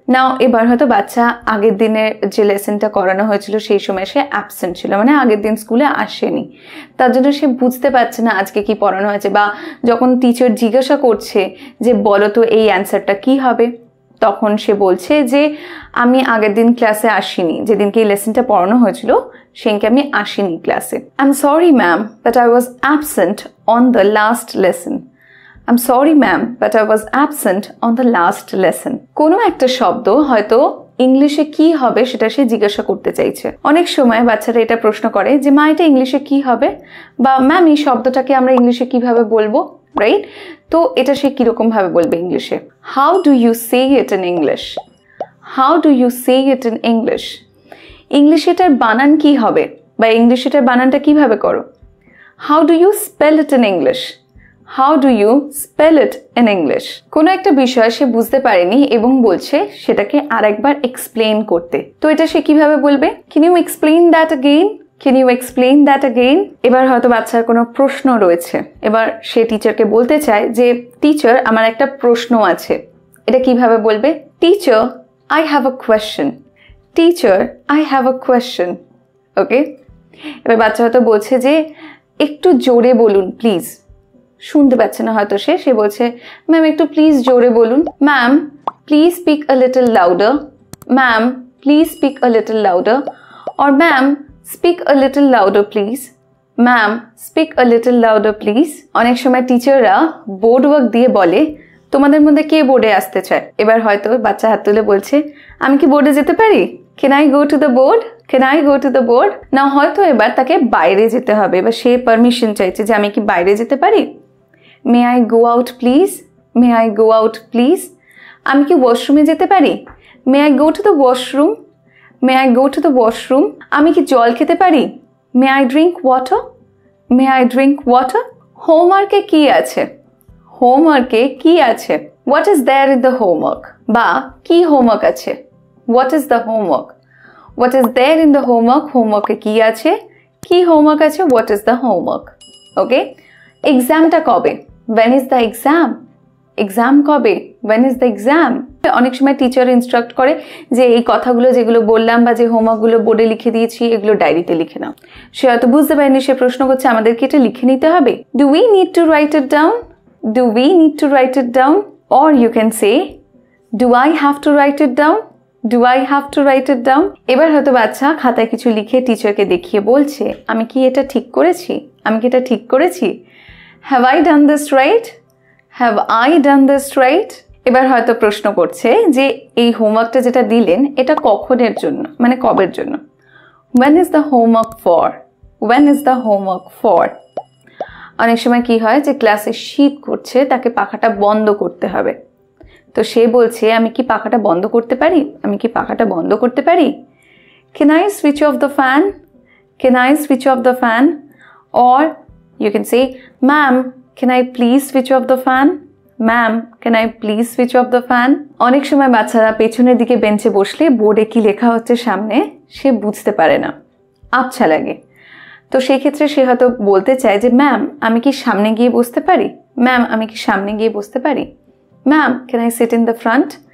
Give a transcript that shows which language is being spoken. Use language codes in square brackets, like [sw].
[bn] নাও, এবার হয়তো বাচ্চা আগের দিনের যে লেসেনটা করানো হয়েছিল সেই সময় সে অ্যাবসেন্ট ছিল, মানে আগের দিন স্কুলে আসেনি, তার জন্য সে বুঝতে পারছে না আজকে কি পড়ানো হয়েছে, বা যখন টিচার জিজ্ঞাসা করছে যে বলো তো এই অ্যান্সারটা কি হবে, তখন সে বলছে যে আমি আগের দিন ক্লাসে আসিনি, যেদিনকে এই লেসেনটা পড়ানো হয়েছিল সেদিনকে আমি আসিনি ক্লাসে, [en] I am sorry ma'am but I was absent on the last lesson, I'm sorry, ma'am, but I was absent on the last lesson. [bn] কোনো একটা শব্দ হয়তো ইংলিশে কি হবে সেটা সে জিজ্ঞাসা করতে চাইছে। অনেক সময় বাচ্চারা এটা প্রশ্ন করে যে মা এটা ইংলিশে কি হবে বা ম্যাম এই শব্দটাকে আমরা ইংলিশে কিভাবে বলবো, রাইট? তো এটা সে কিরকম ভাবে বলবে ইংলিশে? [en] How do you say it in English? How do you say it in English? [bn] ইংলিশে এটার বানান কি হবে বা ইংলিশে এটার বানানটা কিভাবে করো? [en] How do you spell it in English? How do you spell it in English? [bn] কোন একটা বিষয় সে বুঝতে পারেনি এবং বলছে সেটাকে আরেকবার এক্সপ্লেইন করতে, তো এটা সে কিভাবে বলবে? [en] Can you explain that again? Can you explain that again? [bn] এবার হয়তো বাচ্চার কোনো প্রশ্ন রয়েছে, এবার সে টিচারকে বলতে চায় যে টিচার আমার একটা প্রশ্ন আছে, এটা কিভাবে বলবে? [en] Teacher, I have a question. Teacher, I have a question. Okay? [bn] এবার বাচ্চা হয়তো বলছে যে একটু জোরে বলুন [en] Please, শুনতে পাচ্ছে না হয়তো সে বলছে ম্যাম একটু প্লিজ জোরে বলুন, ma'am please speak a little louder, ma'am please speak a little louder, or ma'am speak a little louder please, ma'am speak a little louder please. [bn] অনেক সময় টিচাররা বোর্ড ওয়ার্ক দিয়ে বলে তোমাদের মধ্যে কে বোর্ডে আসতে চায়, এবার হয়তো বাচ্চা হাত তুলে বলছে আমি কি বোর্ডে যেতে পারি? [en] Can I go to the board? Can I go to the board? [bn] Now, হয়তো এবার তাকে বাইরে যেতে হবে, এবার সে পারমিশন চাইছে যে আমি কি বাইরে যেতে পারি? [en] May I go out, please? May I go out, please? [bn] আমি কি ওয়াশরুমে যেতে পারি? [en] May I go to the washroom? May I go to the washroom? [bn] আমি কি জল খেতে পারি? [en] May I drink water? May I drink water? [bn] হোমওয়ার্কে কি আছে? হোমওয়ার্কে কি আছে? [en] What is there in the homework? [bn] বা কি হোমওয়ার্ক আছে? [en] What is the homework? What is there in the homework? [bn] Homework কি আছে? কি হোমওয়ার্ক আছে? [en] What is the homework? Okay? [bn] এক্সামটা কবে? [en] When is the exam? [bn] Exam কবে? [en] When is the exam? [bn] অনেক সময় টিচার ইনস্ট্রাক্ট করে যে এই কথাগুলো যেগুলো বললাম বা যে হোমওয়ার্কগুলো বোর্ডে লিখে দিয়েছি এগুলো ডায়েরিতে লিখে নাও। সে হয়তো বুঝতে পারেনি, সে প্রশ্ন করছে আমাদের কি এটা লিখে নিতে হবে? [en] Do we need to write it down? Do we need to write it down? Or you can say, Do I have to write it down? Do I have to write it down? [bn] এবার হয়তো বাচ্চা খাতায় কিছু লিখে টিচারকে দেখিয়ে বলছে আমি কি এটা ঠিক করেছি? আমি কি এটা ঠিক করেছি? [en] Have I done this right? Have I done this right? [bn] এবার হয়তো প্রশ্ন করছে যে এই হোমওয়ার্কটা যেটা দিলেন এটা কখনের জন্য, মানে কবের জন্য? [en] When is the homework for? When is the homework for? [bn] অনেক সময় কী হয় যে ক্লাসে শীত করছে, তাকে পাখাটা বন্ধ করতে হবে, তো সে বলছে আমি কি পাখাটা বন্ধ করতে পারি? আমি কি পাখাটা বন্ধ করতে পারি? [en] Can I switch off the fan? Can I switch off the fan? Or you can say, ma'am, can I please switch off the fan? Ma'am, can I please switch off the fan? [bn] অনেক সময় বাচ্চারা পেছনের দিকে বেঞ্চে বসলে বোর্ডে কি লেখা হচ্ছে সামনে সে বুঝতে পারে না, আবছা লাগে, তো সেই ক্ষেত্রে সে হয়তো বলতে চায় যে ম্যাম আমি কি সামনে গিয়ে বসতে পারি? ম্যাম আমি কি সামনে গিয়ে বসতে পারি? [en] Ma'am can I sit in the front?